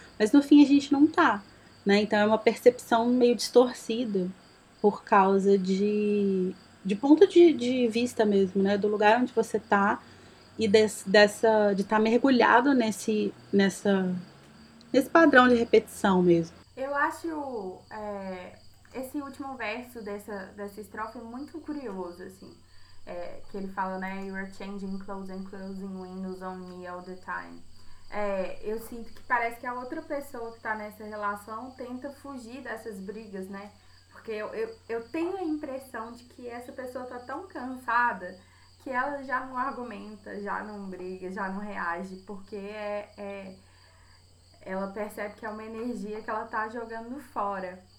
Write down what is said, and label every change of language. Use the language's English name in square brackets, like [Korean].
[Portuguese] Mas no fim a gente não tá, né? Então é uma percepção meio distorcida por causa de ponto de vista mesmo, né? Do lugar onde você tá e de estar mergulhado nesse padrão de repetição mesmo. Eu acho esse último verso dessa estrofe muito curioso, assim. Que ele fala, né? [English] You are changing clothes and closing windows on me all the time. [Portuguese] Eu sinto que parece que a outra pessoa que tá nessa relação tenta fugir dessas brigas, né? Porque eu tenho a impressão de que essa pessoa tá tão cansada que ela já não argumenta, já não briga, já não reage. Porque ela percebe que é uma energia que ela tá jogando fora.